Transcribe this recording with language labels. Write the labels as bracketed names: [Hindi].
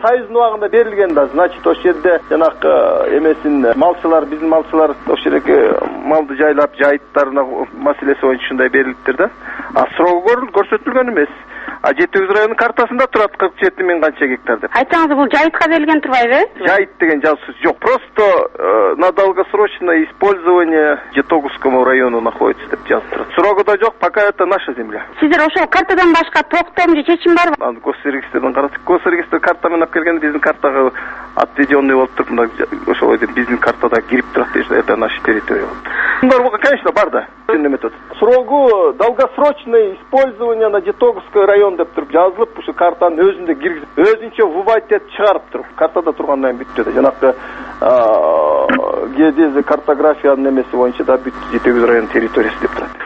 [Kyrgyz] Союздун убагында берилген да, значит ошол жерде жанакы эмесин малчылар, биздин малчылар ошол эки малды жайлап жайыттарына маселеси боюнча ушундай берилиптир. А срогу көрсөтүлгөн эмес. А Жети Өгүз районунун картасында турат 47 000 канча гектар деп. Айтсаңыз бул жайытка берилген турбайбы? Жайыт деген жазуусу жок. [Russian] Просто на долгосрочное использование Жетогузскому району находится [Kyrgyz] деп жазып турат. Срогу да жок, [Russian] пока это наша земля. [Kyrgyz] Сиздер ошол картадан башка токтом же чечим барбы? Аны госрегистрден карадык. Госрегистр карта менен алып келгенде биздин картага отведенный болуп туруп, мына ошол эле биздин картада кирип турат дейт. [Russian] Это наша территория [Kyrgyz] болот. Бар, конечно, бар да. Срогу [Russian] долгосрочное использование на Жетогузской район [Kyrgyz] деп туруп жазылып, ушу картанын өзүндө киргизип, өзүнчө выбать этип чыгарып туруп, картада тургандан бүттү да. Жанакы геодезия картографиянын эмеси боюнча да бүттү Жети Өгүз районунун территориясы деп турат.